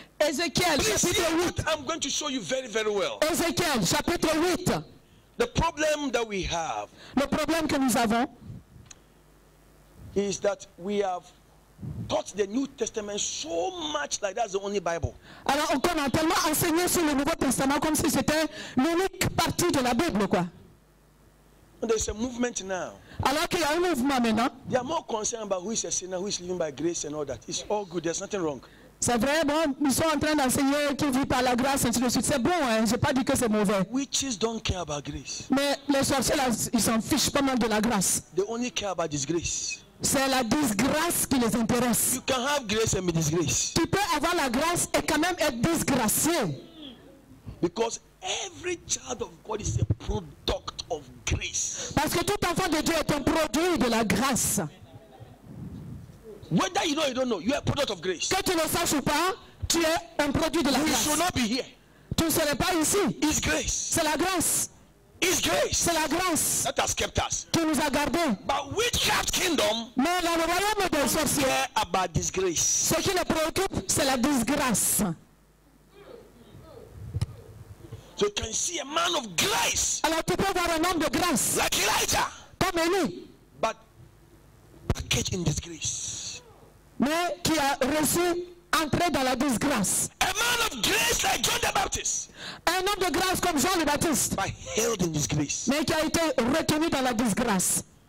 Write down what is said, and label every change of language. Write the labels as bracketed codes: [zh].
[en] Ezekiel, please [fr] chapitre [en] see 8. What I'm going to show you very, very well. [fr] Ezekiel chapitre 8. [en] The problem that we have. [fr] Le problème que nous avons. [en] Is that we have taught the New Testament so much like that's the only Bible. [fr] Alors on a tellement enseigné sur le Nouveau Testament comme si c'était l'unique partie de la Bible, quoi. [en] There's a movement now. [fr] Alors qu'il y a un mouvement maintenant. [en] They are more concerned about who is a sinner, who is living by grace and all that. It's all good. There's nothing wrong. [fr] C'est vrai, bon, ils sont en train d'enseigner qu'ils vivent par la grâce et ainsi de suite. C'est bon, hein, j'ai pas dit que c'est mauvais. [en] Witches don't care about grace. [fr] Mais les sorciers, là, ils s'en fichent pas mal de la grâce. [en] They only care about disgrace. [fr] C'est la disgrâce qui les intéresse. [en] You can have grace and be disgraced. [fr] Tu peux avoir la grâce et quand même être disgracié. [en] Because every child of God is a product of grace. [fr] Parce que tout enfant de Dieu est un produit de la grâce. [en] Whether you know or you don't know, you are a product of grace. [fr] Que tu ne saches ou pas, tu es un produit de la [en] you [fr] grâce. [en] Should not be here. [fr] Tu ne serais pas ici. [en] It's grace. [fr] C'est la grâce. [en] Is grace. [fr] C'est la grâce [en] that has kept us. [fr] Qui nous a gardé. [en] But witchcraft kingdom. [fr] Mais le royaume des sorciers. [en] About disgrace. [fr] Ce qui les préoccupe, c'est la disgrâce. [en] So you can see a man of grace. [fr] Alors tu peux voir un homme de grâce. [en] Like Elijah. [fr] Comme Élie. [en] But packaged in disgrace. [fr] Mais qui a reçu entrer dans la disgrâce. [en] A man of grace like John the Baptist. [fr] Un homme de grâce comme Jean le Baptiste. [en] But held in disgrace. [fr] Mais qui a été retenu dans la disgrâce.